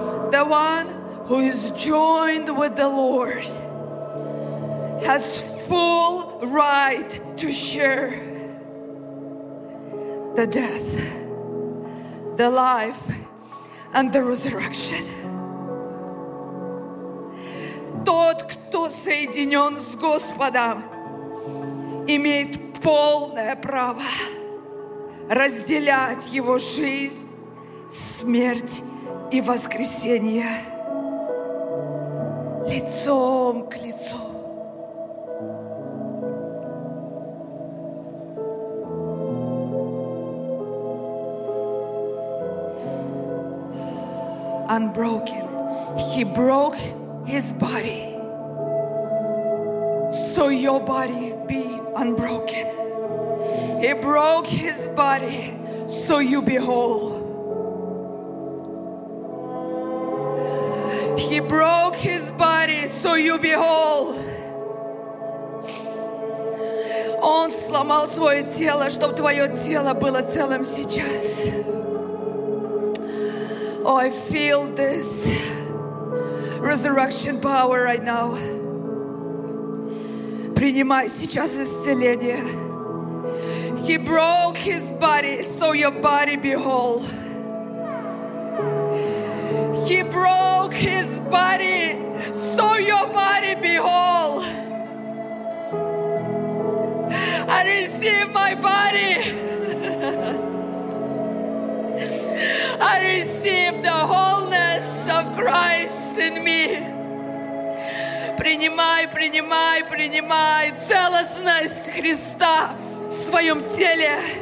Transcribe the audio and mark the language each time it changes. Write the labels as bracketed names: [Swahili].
[English] The one who is joined with the Lord has full right to share the death, the life, and the resurrection. [Russian] Тот, кто соединен с Господом, имеет полное право разделять Его жизнь, смерть и воскресение лицом к лицу. [English] Unbroken. He broke His body. So your body be unbroken. He broke His body. So you be whole. He He broke his body, so you be whole. [Russian] Он сломал свое тело, чтобы твое тело было целым сейчас. [English] Oh, I feel this resurrection power right now. [Russian] Принимай сейчас исцеление. [English] He broke his body, so your body be whole. He broke his body, so your body be whole. I receive my body. I receive the wholeness of Christ in me. [Russian] Принимай, принимай, принимай целостность Христа в своем теле.